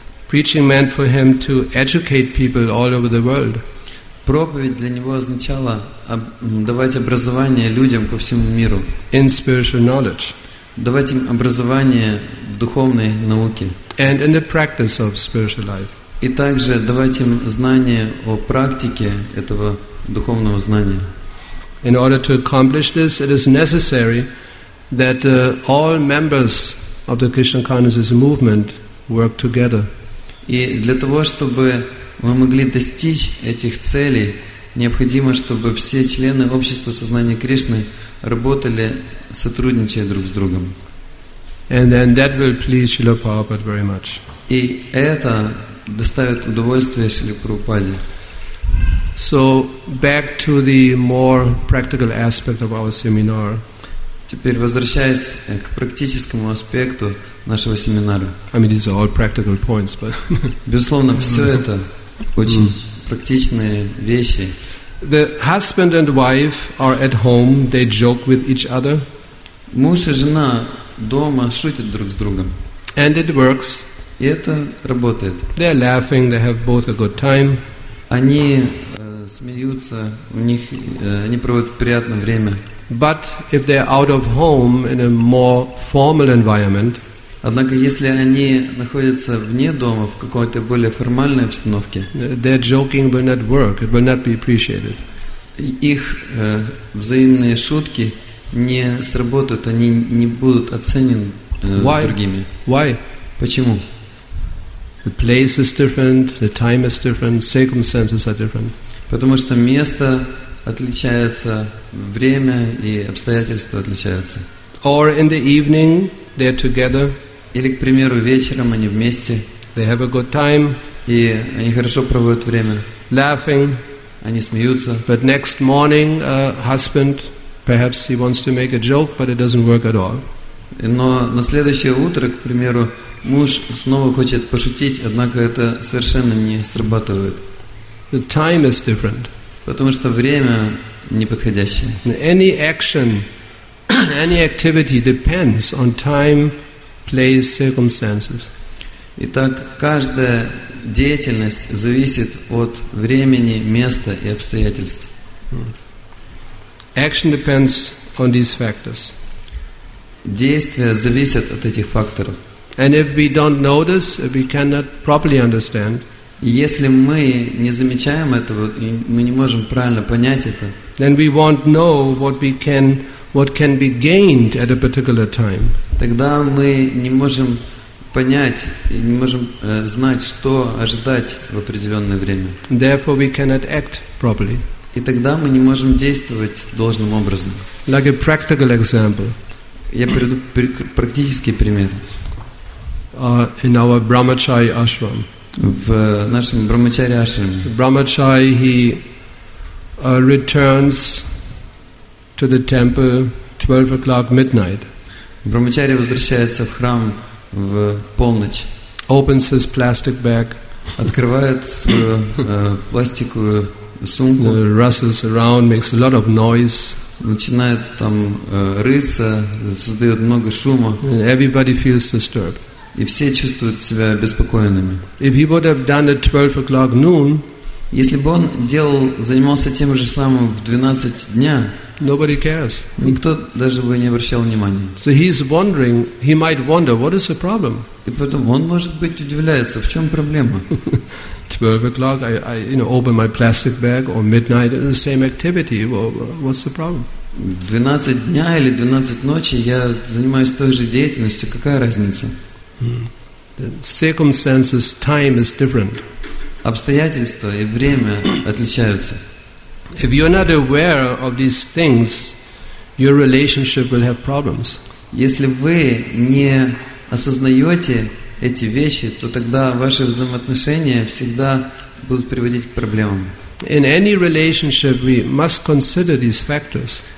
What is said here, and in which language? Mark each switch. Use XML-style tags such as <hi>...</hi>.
<en>Preaching meant for him to educate people all over the world.</en> <ru>Проповедь для него означала давать образование людям по всему миру.</ru> <en>In spiritual knowledge.</en> <ru>Давать им образование в духовной науке.</ru> <en>And in the practice of spiritual life.</en> <ru>И также давать им знания о практике этого духовного знания.</ru> <en>In order to accomplish this, it is necessary that all members of the Krishna consciousness movement work together.</en> <ru>И для того, чтобы мы могли достичь этих целей, необходимо, чтобы все члены общества сознания Кришны работали, сотрудничая друг с другом.</ru> <en>And then that will please Srila Prabhupada very much.</en> <ru>И это доставит удовольствие Шриле Прабхупаде.</ru> <en>So back to the more practical aspect of our seminar.</en> <ru>Теперь возвращаясь к практическому аспекту нашего семинара.</ru> <en>I mean, these are all practical points, but</en> <ru>безусловно, все это очень практичные вещи.</ru> <en>The husband and wife are at home, they joke with each other.</en> <ru>Муж и жена дома шутят друг с другом.</ru> <en>And it works.</en> <ru>И это работает.</ru> <en>They are laughing, they have both a good time.</en> <ru>Они смеются, у них они проводят приятное время.</ru> <en>But if they are out of home in a more formal environment,</en> <ru>однако если они находятся вне дома в какой-то более формальной обстановке,</ru> <en>their joking will not work, it will not be appreciated.</en> <ru>Их взаимные шутки не сработают, они не будут оценены</ru> <en>Why?</en> <ru>Другими.</ru> <en>Why?</en> <ru>Почему?</ru> <en>The place is different, the time is different, circumstances are different.</en> <ru>Потому что место отличается, время и обстоятельства отличаются.</ru> <en>Or in the evening they're together.</en> <ru>Или, к примеру, вечером они вместе.</ru> <en>They have a good time.</en> <ru>И они хорошо проводят время.</ru> <en>Laughing.</en> <ru>Они смеются.</ru> <en>But next morning, husband, perhaps he wants to make a joke, but it doesn't work at all.</en> <ru>Но на следующее утро, к примеру, муж снова хочет пошутить, однако это совершенно не срабатывает.</ru> <en>The time is different.</en> <ru>Потому что время неподходящее.</ru> <en>Any action, any activity depends on time, place, circumstances.</en> <ru>Итак, каждая деятельность зависит от времени, места и обстоятельств.</ru> <en>Action depends on these factors.</en> <ru>Действия зависят от этих факторов.</ru> <en>And if we don't know this, if we cannot properly understand,</en> <ru>если мы не замечаем этого, мы не можем правильно понять это.</ru> <en>Then we won't know what can be gained at a particular time.</en> <ru>Тогда мы не можем понять и не можем знать, что ожидать в определенное время.</ru> <en>Therefore, we cannot act properly.</en> <ru>И тогда мы не можем действовать должным образом.</ru> <en>Like a practical example.</en> <ru>Я приведу практический пример.</ru> <en>In our Brahmachari ashram.</en> <ru>В нашем Брахмачари ашраме.</ru> <en>Brahmachari, he returns to the temple 12 o'clock midnight.</en> <ru>Брахмачари возвращается в храм в полночь.</ru> <en>Opens his plastic bag.</en> <ru>Открывает пластиковую сумку.</ru> <en>Rustles around, makes a lot of noise.</en> <ru>Начинает там рыться, создает много шума.</ru> <en>And everybody feels disturbed.</en> <ru>И все чувствуют себя беспокоенными.</ru> <en>If he would have done it 12 o'clock noon,</en> <ru>если бы он делал, занимался тем же самым в 12 дня,</ru> <en>nobody cares.</en> <ru>Никто даже бы не обращал внимания.</ru> <en>So he's wondering, he might wonder, what is the problem?</en> <ru>И потом он, может быть, удивляется, в чем проблема?</ru> <en>12 o'clock, I you know, open my plastic bag, or midnight, the same activity, what's the problem?</en> <ru>12 дня или 12 ночи я занимаюсь той же деятельностью, какая разница?</ru> <en>The circumstances, time is different.</en> <ru>Обстоятельства и время отличаются.</ru> <en>If you're not aware of these things, your relationship will have problems.</en> <ru>Если вы не осознаете эти вещи, то тогда ваши взаимоотношения всегда будут приводить к проблемам.</ru> <en>In any relationship, we must consider these factors.</en>